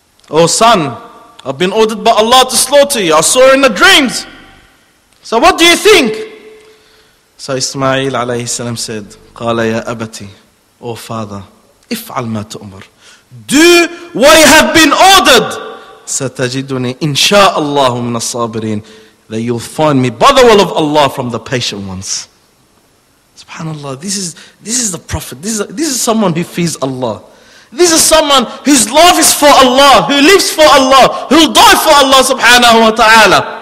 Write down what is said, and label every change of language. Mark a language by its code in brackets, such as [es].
[en] Oh son, I've been ordered by Allah to slaughter you. I saw in the dreams. So what do you think? So Ismail alayhi salam said, [ar] قَالَ يَا أَبَتِي. [en] Oh father, [ar] if'al ma tu'mar. [en] Do what you have been ordered. [ar] ستجدني إن شاء الله من الصابرين. [en] That you'll find me by the will of Allah from the patient ones. Subhanallah, this is the prophet. This is someone who fears Allah. This is someone whose love is for Allah, who lives for Allah, who'll die for Allah subhanahu wa ta'ala.